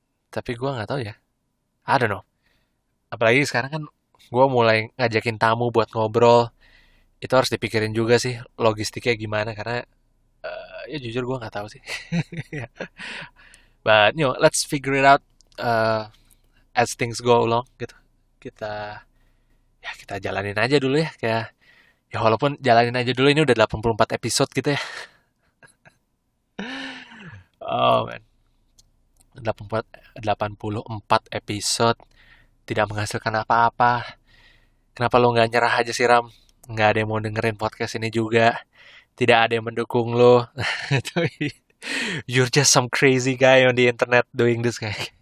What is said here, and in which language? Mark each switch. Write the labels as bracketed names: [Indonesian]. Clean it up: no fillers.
[Indonesian] Tapi gue nggak tahu ya. [English] I don't know. [Indonesian] Apalagi sekarang kan gue mulai ngajakin tamu buat ngobrol. Itu harus dipikirin juga sih logistiknya gimana, karena ya jujur gue nggak tahu sih. [English] But you know, let's figure it out as things go along. [Indonesian] Gitu. Kita jalanin aja dulu ya, kayak ya walaupun jalanin aja dulu, ini udah 84 episode gitu ya. [English] Oh man, [Indonesian] 84 episode tidak menghasilkan apa-apa. Kenapa lo nggak nyerah aja sih, Ram? Nggak ada yang mau dengerin podcast ini juga, tidak ada yang mendukung lo. [English] You're just some crazy guy on the internet doing this, guy.